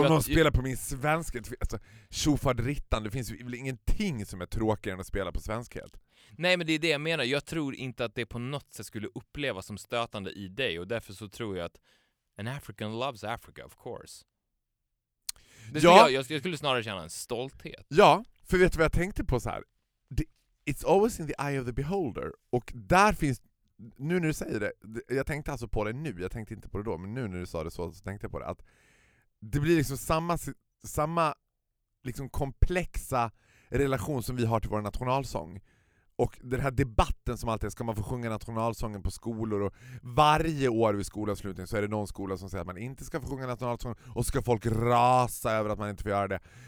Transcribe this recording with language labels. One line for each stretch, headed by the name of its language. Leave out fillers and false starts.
Swedish: Om man spelar på min svenska, alltså, tjofadrittan, det finns väl ingenting som är tråkigare än att spela på svensk helt. Nej, men det är det jag menar. Jag tror inte att det på något sätt skulle upplevas som stötande i dig. Och därför så tror jag att an African loves Africa, of course. Det, ja. Jag skulle snarare känna en stolthet. Ja, för vet du vad jag tänkte på så här?
English: It's always in the eye of the beholder.
Swedish: Och där finns... Nu när du säger det, jag tänkte alltså på det nu, jag tänkte inte på det då, men nu när du sa det så tänkte jag på det, att det blir liksom samma liksom komplexa relation som vi har till vår nationalsång. Och den här debatten som alltid, ska man få sjunga nationalsången på skolor, och varje år vid skolavslutning så är det någon skola som säger att man inte ska få sjunga nationalsången, och ska folk rasa över att man inte får göra det.